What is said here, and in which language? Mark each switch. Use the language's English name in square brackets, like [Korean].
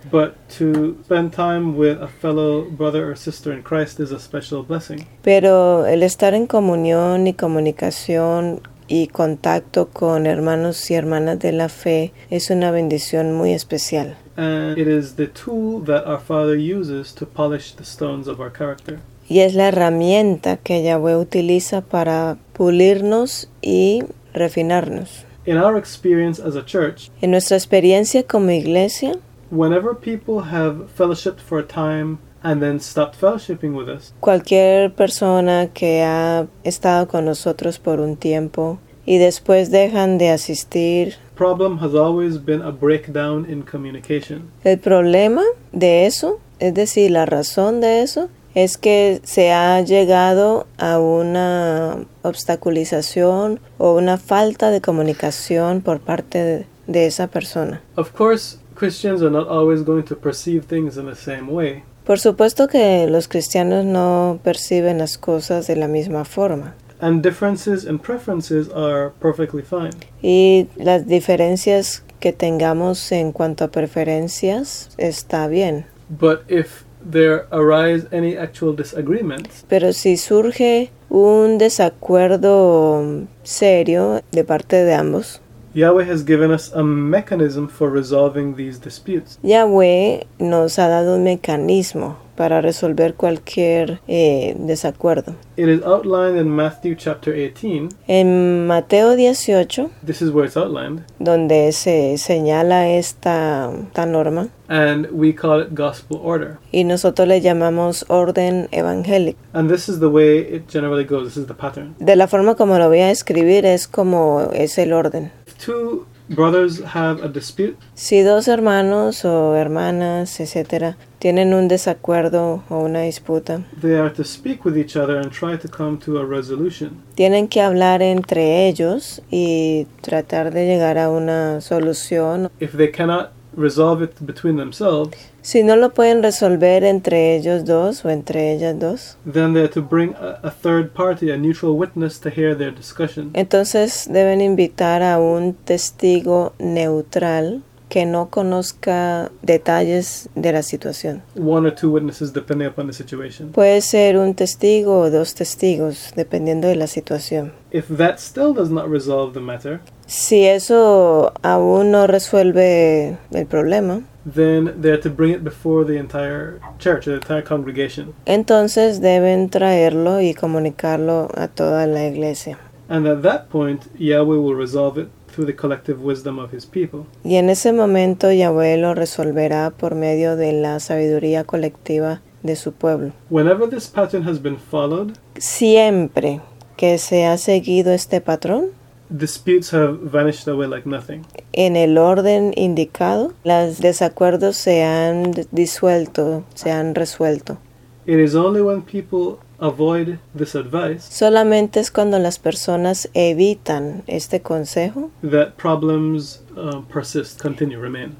[English] But to spend time with a fellow brother or sister in Christ is a special blessing. [Spanish] Pero el estar en comunión y comunicación y contacto con hermanos y hermanas de la fe es una bendición muy especial. [English] And it is the tool that our Father uses to polish the stones of our character. [Spanish] Y es la herramienta que Yahweh utiliza para pulirnos y refinarnos. [English] In our experience as a church, [Spanish] en nuestra experiencia como iglesia, [English] whenever people have fellowshiped for a time and then stopped fellowshipping with us, [Spanish] cualquier persona que ha estado con nosotros por un tiempo y después dejan de asistir, [English] problem has always been a breakdown in communication. [Spanish] El problema de eso, es decir, la razón de eso, es que se ha llegado a una obstaculización o una falta de comunicación por parte de esa persona. [English] Of course, Christians are not always going to perceive things in the same way. [Spanish] Por supuesto que los cristianos no perciben las cosas de la misma forma. [English] And differences and preferences are perfectly fine. [Spanish] Y las diferencias que tengamos en cuanto a preferencias está bien. [English] But if there arise any actual disagreements. [Spanish] Pero si surge un desacuerdo serio de parte de ambos. [English] Yahweh has given us a mechanism for resolving these disputes. [Spanish] Yahweh nos ha dado un mecanismo para resolver cualquier desacuerdo. [English] It is outlined in Matthew chapter 18. [Spanish] En Mateo 18. [English] This is where it's outlined. [Spanish] Donde se señala esta norma. [English] And we call it gospel order. [Spanish] Y nosotros le llamamos orden evangélico. [English] And this is the way it generally goes. This is the pattern. [Spanish] De la forma como lo voy a escribir es como es el orden. [English] If two brothers have a dispute. [Spanish] Si dos hermanos o hermanas, etcétera, tienen un desacuerdo o una disputa. [English] They are to speak with each other and try to come to a resolution. [Spanish] Tienen que hablar entre ellos y tratar de llegar a una solución. [English] If they cannot resolve it between themselves, [Spanish] si no lo pueden resolver entre ellos dos o entre ellas dos, [English] then they have to bring a third party, a neutral witness, to hear their discussion. [Spanish] Entonces deben invitar a un testigo neutral que no conozca detalles de la situación. [English] One or two witnesses, depending upon the situation. [Spanish] Puede ser un testigo o dos testigos, dependiendo de la situación. [English] If that still does not resolve the matter, [Spanish] si eso aún no resuelve el problema, [English] then they have to bring it before the entire church, the entire congregation. [Spanish] Entonces deben traerlo y comunicarlo a toda la iglesia. [English] And at that point, Yahweh will resolve it through the collective wisdom of his people. [Spanish] Y en ese momento Yahweh lo resolverá por medio de la sabiduría colectiva de su pueblo. [English] Whenever this pattern has been followed, [Spanish] siempre que se ha seguido este patrón, [English] disputes have vanished away like nothing. [Spanish] En el orden indicado, los desacuerdos se han disuelto, se han resuelto. [English] It is only when people avoid this advice, [Spanish] solamente es cuando las personas evitan este consejo, [English] that problems persist, continue, remain.